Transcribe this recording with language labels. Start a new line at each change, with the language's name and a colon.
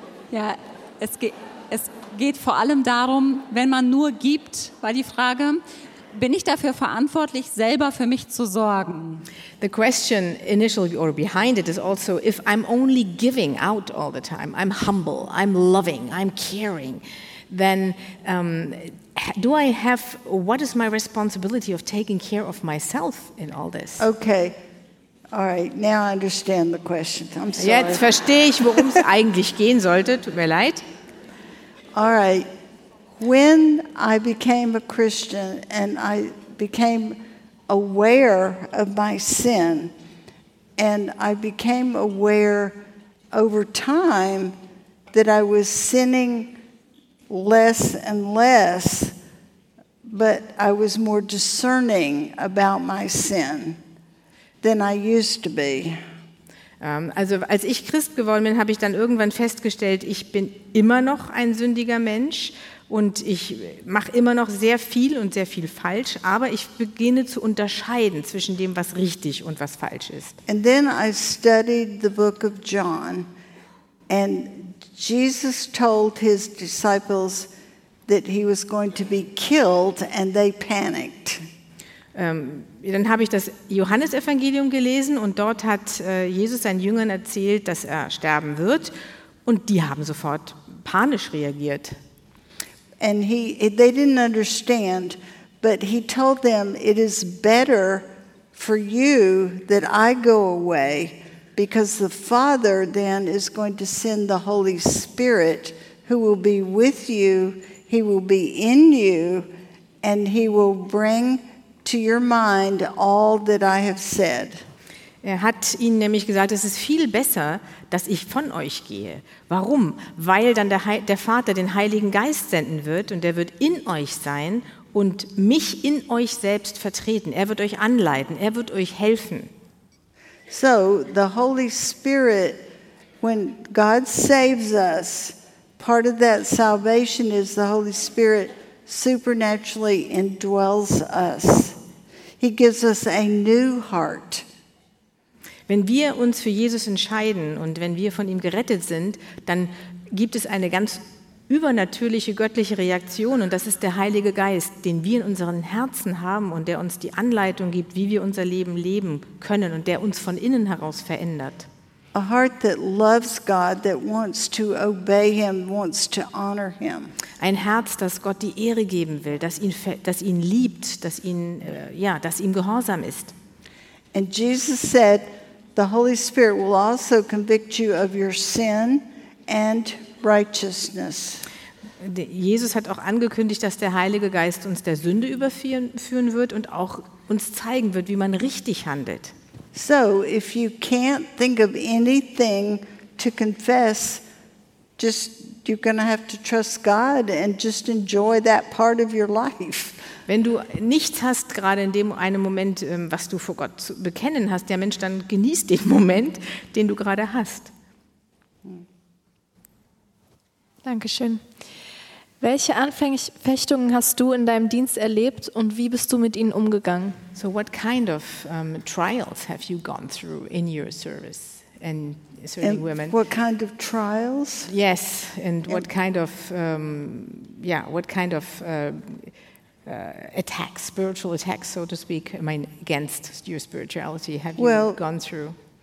German: Ja, es geht vor allem darum, wenn man nur gibt, war die Frage, bin ich dafür verantwortlich, selber für mich zu sorgen?
English: The question initially or behind it is also, if I'm only giving out all the time, I'm humble, I'm loving, I'm caring, then do I have, what is my responsibility of taking care of myself in all this? Okay, all right, now I understand the question, I'm sorry.
German: Jetzt verstehe ich, worum es eigentlich gehen sollte, tut mir leid.
English: All right, when I became a Christian and I became aware of my sin and I became aware over time that I was sinning less and less, but I was more discerning about my sin than I used to be.
German: Also als ich Christ geworden bin, habe ich dann irgendwann festgestellt, ich bin immer noch ein sündiger Mensch und ich mache immer noch sehr viel und sehr viel falsch, aber ich beginne zu unterscheiden zwischen dem, was richtig und was falsch ist.
English: And then I studied the book of John and Jesus told his disciples that he was going to be killed and they panicked.
German: Dann habe ich das Johannesevangelium gelesen und dort hat Jesus seinen Jüngern erzählt, dass er sterben wird und die haben sofort panisch reagiert.
English: And they didn't understand, but he told them it is better for you that I go away. Because the Father then is going to send the Holy Spirit, who will be with you, he will be in you, and he will bring to your mind all that I have said.
German: Er hat ihnen nämlich gesagt, es ist viel besser, dass ich von euch gehe. Warum? Weil dann der Vater den Heiligen Geist senden wird und er wird in euch sein und mich in euch selbst vertreten. Er wird euch anleiten, er wird euch helfen.
English: So the Holy Spirit, when God saves us, part of that salvation is the Holy Spirit supernaturally indwells us. He gives us a new heart.
German: Wenn wir uns für Jesus entscheiden und wenn wir von ihm gerettet sind, dann gibt es eine ganz übernatürliche göttliche Reaktion und das ist der Heilige Geist, den wir in unseren Herzen haben und der uns die Anleitung gibt, wie wir unser Leben leben können und der uns von innen heraus verändert.
English: A heart that loves God, that wants to obey him, wants to honor him.
German: Ein Herz, das Gott die Ehre geben will, das ihn liebt, das ihm gehorsam ist.
English: And Jesus said, the Holy Spirit will also convict you of your sin and righteousness.
German: Jesus hat auch angekündigt, dass der Heilige Geist uns der Sünde überführen wird und auch uns zeigen wird, wie man richtig handelt.
English: So, if you can't think of anything to confess, just you're going to have to trust God and just enjoy that part of your life.
German: Wenn du nichts hast, gerade in dem einen Moment, was du vor Gott zu bekennen hast, ja Mensch, dann genieß den Moment, den du gerade hast. Dankeschön. Welche Anfechtungen hast du in deinem Dienst erlebt und wie bist du mit ihnen umgegangen?
English: So what kind of trials have you gone through in your service? And certainly and women. What kind of trials? Yes, and what kind of attacks, spiritual attacks, so to speak, I mean, against your spirituality have you gone through?